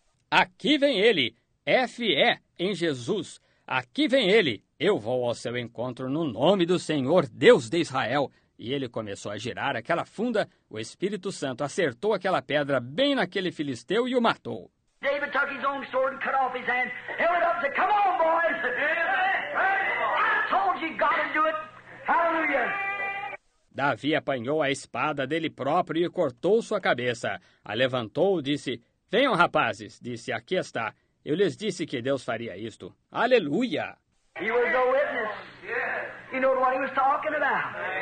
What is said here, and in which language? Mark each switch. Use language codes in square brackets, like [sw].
[pt] Aqui vem ele, F-E, em Jesus. Aqui vem ele. Eu vou ao seu encontro no nome do Senhor, Deus de Israel. E ele começou a girar aquela funda, o Espírito Santo acertou aquela pedra bem naquele filisteu e o matou. [en] David took his own sword and cut off his hand, held it up and said, come on, boys! I told you God would do it! Hallelujah! [pt] Davi apanhou a espada dele próprio e cortou sua cabeça. A levantou e disse, venham, rapazes, disse, aqui está. Eu lhes disse que Deus faria isto. Aleluia! [en] He was a witness. You know what he was talking about.